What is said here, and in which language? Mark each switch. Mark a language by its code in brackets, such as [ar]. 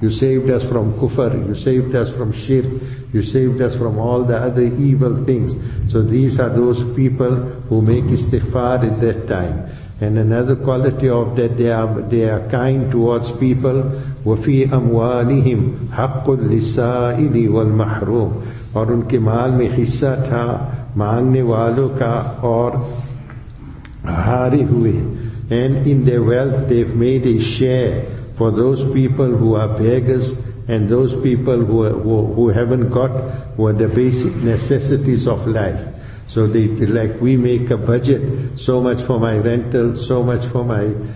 [en] You saved us from kufr, you saved us from shirk, you saved us from all the other evil things. So these are those people who make istighfar at that time. And another quality of that, they are kind towards people. [ar] وَفِي أَمْوَالِهِمْ حَقٌّ لِلسَّائِلِ وَالْمَحْرُومِ. [ur] اور ان کے مال میں حصہ تھا مانگنے والوں کا اور ہارے ہوئے. [en] And in their wealth they've made a share for those people who are beggars and those people who haven't got what the basic necessities of life. So they, like we make a budget, so much for my rental, so much for my